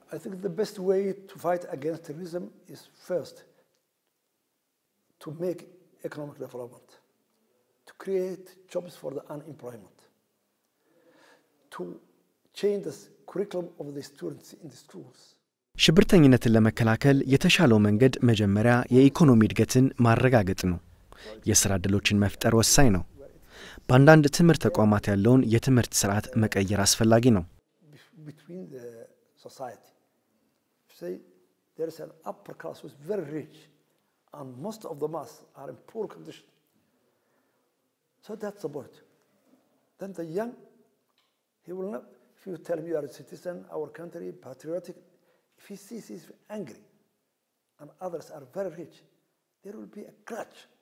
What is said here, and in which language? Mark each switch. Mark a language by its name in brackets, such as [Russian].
[English] I think the best way to fight against terrorism is first to make economic development, to create jobs for the unemployment, to change the curriculum of the students in the schools. [Amharic] ሽብርተኝነትን ለመከላከል የተሻለው መንገድ መጀመሪያ የኢኮኖሚ እድገትን ማረጋገጥ ነው። የሥራ ዕድሎችን መፍጠር ወሳኝ ነው። በአንዳንድ ትምህርት ተቋማት ያለውን የትምህርት ሥርዓት መቀየር አስፈላጊ ነው። [English] Between the society, say there is an upper class who is very rich. And most of the mass are in poor condition. So that's the point. Then the young, he will not, if you tell him you are a citizen, our country, patriotic, if he sees he's angry and others are very rich, there will be a clutch.